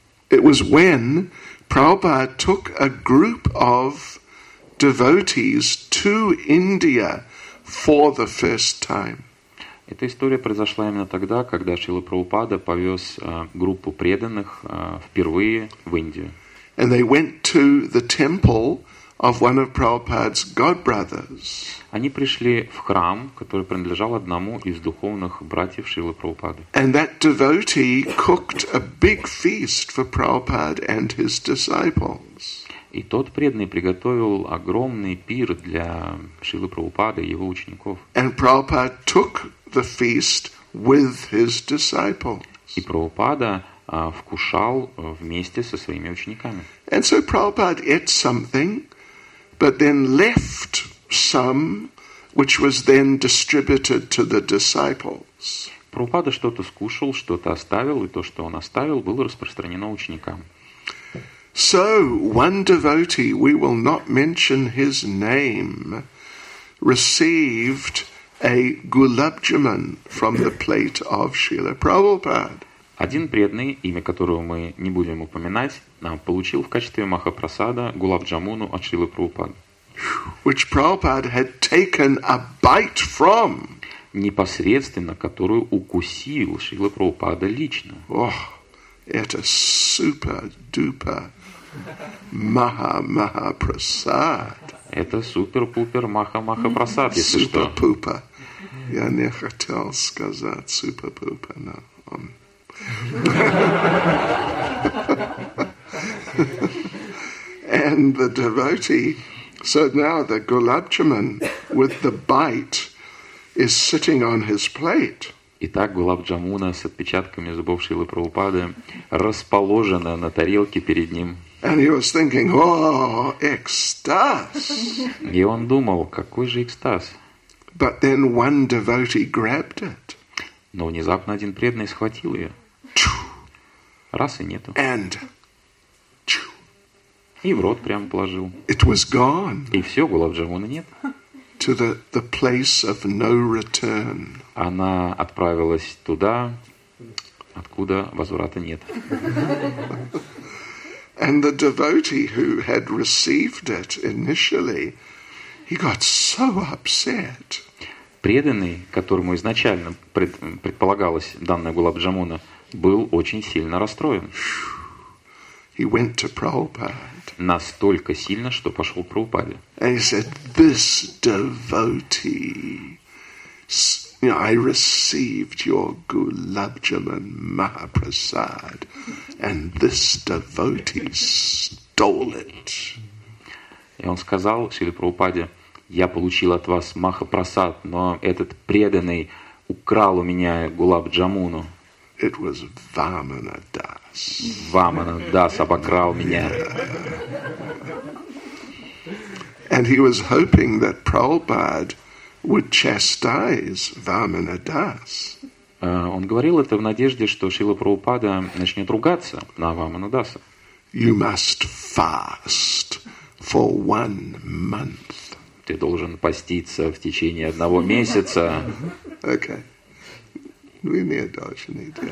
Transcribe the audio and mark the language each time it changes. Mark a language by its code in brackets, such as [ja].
[en] It was when Prabhupada took a group of devotees to India for the first time. [ru] Эта история произошла именно тогда, когда Шрила Прабхупада повез группу преданных впервые в Индию. [en] And they went to the temple of one of Prabhupada's godbrothers. [ru] Они пришли в храм, который принадлежал одному из духовных братьев Шрилы Прабхупады. [en] And that devotee cooked a big feast for Prabhupada and his disciples. [ru] И тот преданный приготовил огромный пир для Шрилы Прабхупады и его учеников. [en] And Prabhupada took the feast with his disciples. [ru] И Прабхупада вкушал вместе со своими учениками. [en] And so Prabhupada ate something, but then left some, which was then distributed to the disciples. [ru] Прабхупада что-то скушал, что-то оставил, и то, что он оставил, было распространено ученикам. [en] So, one devotee, we will not mention his name, received a gulab jamun from the plate of Srila Prabhupada. [ru] Один преданный, имя которого мы не будем упоминать, получил в качестве махапрасада гулаб-джамуну от Шрилы Прабхупады. [en] Which Prabhupada had taken a bite from. [ru] Непосредственно, которую укусил Шрила Прабхупада лично. Ох, это супер-дупер маха-маха-прасад. Это супер-пупер-маха-маха-прасад, если [en] Super- [ru] пупа. Супер-пупер. Я не хотел сказать супер-пупер, но он... [en] And the devotee, so now the gulab jamun with the bite is sitting on his plate. [ru] Итак, гулаб джамуна с отпечатками зубов Шрилы Прабхупады расположена на тарелке перед ним. [en] And he was thinking, oh, extas. [ru] И он думал, какой же экстаз. [en] But then one devotee grabbed it. [ru] Но внезапно один преданный схватил ее. Раз и нету. [en] And [ru] и в рот прямо положил. [en] It was gone. [ru] И все, гулаб джамуна нет. [en] To the place of no return. [ru] Она отправилась туда, откуда возврата нет. [en] And the devotee who had received it initially, he got so upset. [ru] Преданный, которому изначально предполагалось данное гулаб джамуна, был очень сильно расстроен. [en] He went to Prabhupada. [ru] Настолько сильно, что пошел к Прабхупаде. [en] And he said, this devotee, You know, I received your Gulabjaman Mahaprasad, and this devotee stole it. [ru] И он сказал Шриле Прабхупаде: я получил от вас Махапрасад, но этот преданный украл у меня Гулабджамуну. [en] It was Vamana Das. [ru] Vamana Das обокрал меня. [en] And he was hoping that Prabhupada would chastise Vamana Das. [ru] Он говорил это в надежде, что Шрила Прабхупада начнет ругаться на Vamana Dasa. [en] You must fast for 1 month. [ru] Ты должен поститься в течение одного месяца. [en] Okay. We need dashini.